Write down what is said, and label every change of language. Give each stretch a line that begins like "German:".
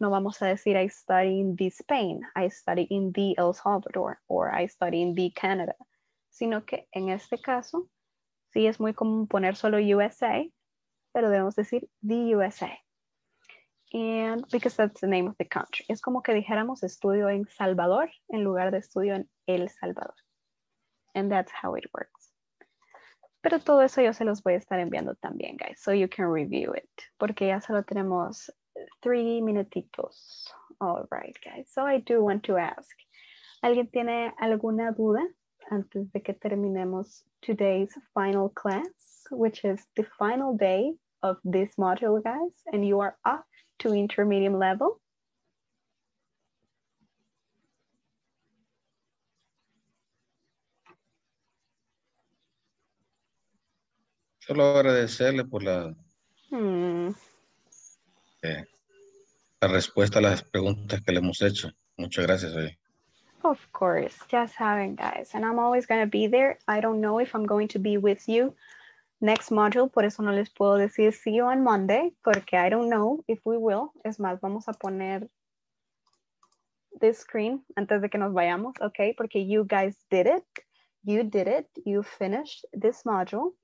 Spanish: No vamos a decir,
English: I study in the Spain, I study in the El Salvador, or I study in the Canada.
Spanish: Sino que en este caso, sí, es muy común poner solo USA, pero debemos decir
English: the USA. And because that's the name of the country.
Spanish: Es como que dijéramos estudio en Salvador en lugar de estudio en El Salvador.
English: And that's how it works.
Spanish: Pero todo eso yo se los voy a estar enviando también, guys,
English: so you can review it.
Spanish: Porque ya solo tenemos 3 minutitos.
English: All right, guys. So I do want to ask.
Spanish: ¿Alguien tiene alguna duda antes de que terminemos
English: today's final class, which is the final day of this module, guys, and you are off to intermediate level?
Spanish: Solo agradecerle por la, la respuesta a las preguntas que le hemos hecho. Muchas gracias, oye.
English: Of course, just having guys. And I'm always going to be there. I don't know if I'm going to be with you next module.
Spanish: Por eso no les puedo decir
English: see you on Monday,
Spanish: porque
English: I don't know if we will.
Spanish: Es más, vamos a poner
English: this screen
Spanish: antes de que nos vayamos, okay? Porque
English: you guys did it. You did it. You finished this module.